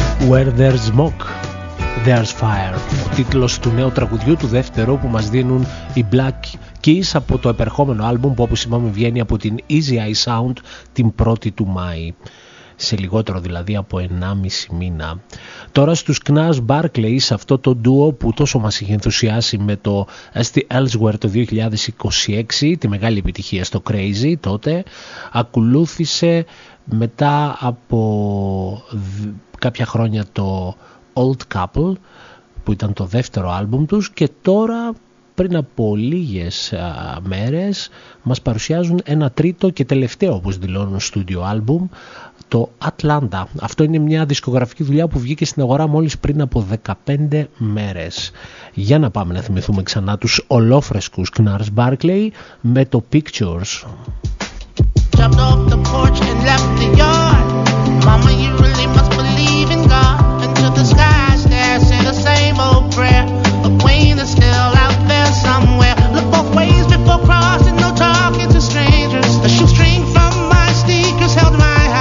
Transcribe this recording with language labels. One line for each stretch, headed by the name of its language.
English: Where There's Smoke, There's Fire.
Greek: Ο τίτλος του νέου τραγουδιού του δεύτερου που μας δίνουν οι Black Keys από το επερχόμενο άλμπουμ που όπως είπαμε βγαίνει από την Easy Eye Sound την 1η του Μάη. Σε λιγότερο δηλαδή από 1,5 μήνα. Τώρα στους Knas Barclays, σε αυτό το duo που τόσο μας είχε ενθουσιάσει με το As The Elsewhere το 2026, τη μεγάλη επιτυχία στο Crazy τότε, ακολούθησε μετά από κάποια χρόνια το Old Couple που ήταν το δεύτερο άλμπουμ τους και τώρα πριν από λίγες μέρες μας παρουσιάζουν ένα τρίτο και τελευταίο όπως δηλώνουν studio άλμπουμ, το Atlanta. Αυτό είναι μια δισκογραφική δουλειά που βγήκε στην αγορά μόλις πριν από 15 μέρες. Για να πάμε να θυμηθούμε ξανά τους ολόφρεσκους Knas Barclays με το Pictures.
English: Jumped off the porch and left the yard. Mama, you really must believe in God. Until the skies there, say the same old prayer. The queen is still out there somewhere. Look both ways before crossing, no talking to strangers. The shoestring from my sneakers held my.